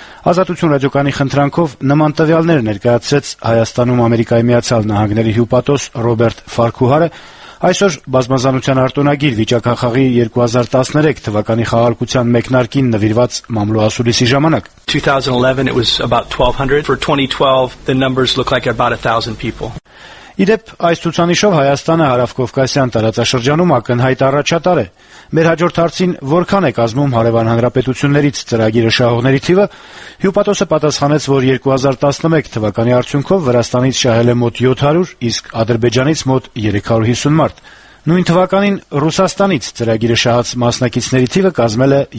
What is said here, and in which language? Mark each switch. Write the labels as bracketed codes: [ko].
[hy] Ազատություն ռադիոկանի խնդրանքով նման տվյալներ ներկայացրեց Հայաստանում Ամերիկայի Միացյալ Նահանգների հյուպատոս Ռոբերտ Ֆարքուհարը այսօր բազմազանության արտոնագիր վիճակախաղի 2013 թվականի խաղարկության մեկնարկին նվիրված մամլոասուլիսի ժամանակ. [en] 2011 it was about 1200 for 2012 the numbers look like about 1000 people. [hy] Իդեպ այս ցուցանիշով Հայաստանը հարավ-Կովկասյան տարածաշրջանում ակնհայտ առաջատար է։ Մեր հաջորդ հարցին՝ որքան է կազմում հարևան հանրապետություններից ծրագիրը շահողների թիվը, հյուպատոսը պատասխանեց, որ 2011 թվականի արդյունքով Վրաստանից շահել է մոտ 700, իսկ Ադրբեջանից մոտ 350 մարդ։ Նույն թվականին Ռուսաստանից ծրագիրը շահած մասնակիցների թիվը կազմել է